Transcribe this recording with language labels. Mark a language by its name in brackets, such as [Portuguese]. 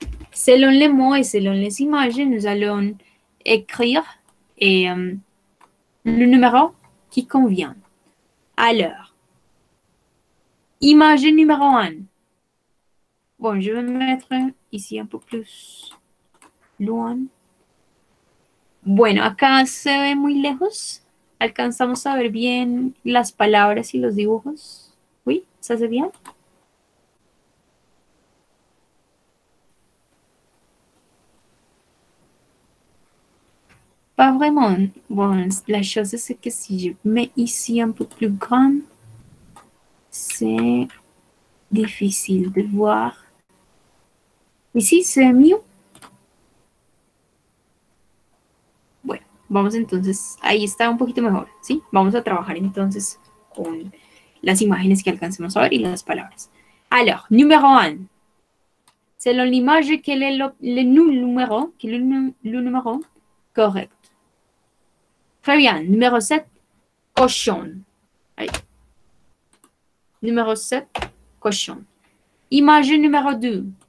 [French] Selon les mots et selon les images, nous allons écrire et le numéro qui convient. Alors, image numéro 1. Bon, je vais me mettre ici un peu plus loin. [Spanish] Bueno, acá se ve muy lejos. Alcanzamos a ver bien las palabras y los dibujos. [French] Oui, ça se vient. Pas vraiment. Bon, la chose, c'est que si je mets ici un peu plus grand, c'est difficile de voir. Ici, c'est mieux. [Spanish] Bueno, vamos entonces. Ahí está un poquito mejor, ¿sí? Vamos a trabajar entonces con las imágenes que alcancemos a ver y las palabras. [French] Alors, numéro 1. Selon l'image, quel est le numéro? Quel est le numéro correct? Très bien. Numéro 7, cochon. Allez. Numéro 7, cochon. Image numéro 2.